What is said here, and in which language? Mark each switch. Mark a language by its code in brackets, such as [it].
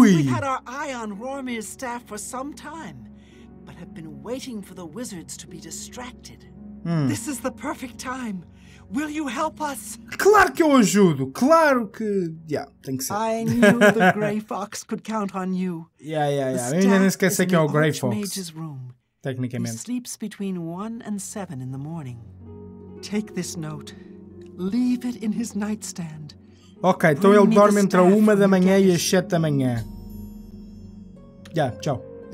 [en] We've had our eye on Rormir's staff for some time, but have been waiting for the wizards to be distracted. This is the perfect time. Will you help us? [pt] Claro que eu ajudo. Claro que, tem que ser. [en] I knew the Grey Fox could count on you. [pt] Eu ainda nem esqueci que é o Grey Fox. Tecnicamente. [en] He sleeps between 1 and 7 in the morning. Take this note. Leave it in his nightstand. [pt] Ok, então ele dorme entre a 1 da manhã e as 7 da manhã. Tchau.